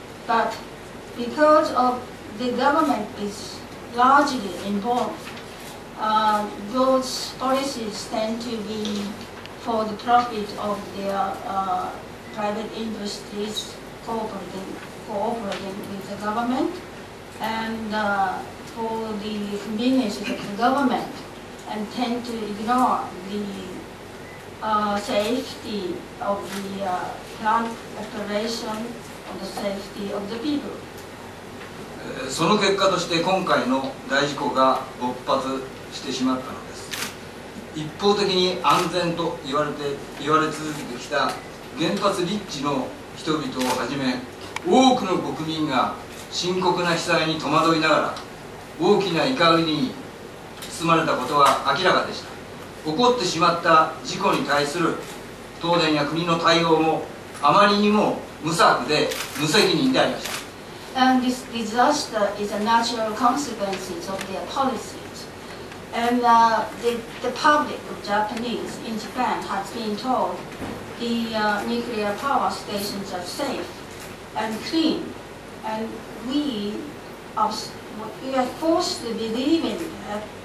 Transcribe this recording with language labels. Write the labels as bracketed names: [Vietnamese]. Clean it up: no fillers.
[English] But because of the government is largely involvedthose policies tend to be for the profit of their private industries cooperating with the government and for the convenience of the government and tend to ignore the safety of the plant operation and the safety of the people. [Japanese] その結果として今回の大事故が勃発してしまったのです。一方的に安全と言われ続けてきた原発立地の人々をはじめ、多くの国民が深刻な被災に戸惑いながら大きな怒りに包まれたことは明らかでした。起こってしまった事故に対する東電や国の対応もあまりにも無策で無責任でありました。 [English] And this disaster is a natural consequence of their policies. And the public of Japanese in Japan has been told the nuclear power stations are safe and clean. And we are forced to believe in that.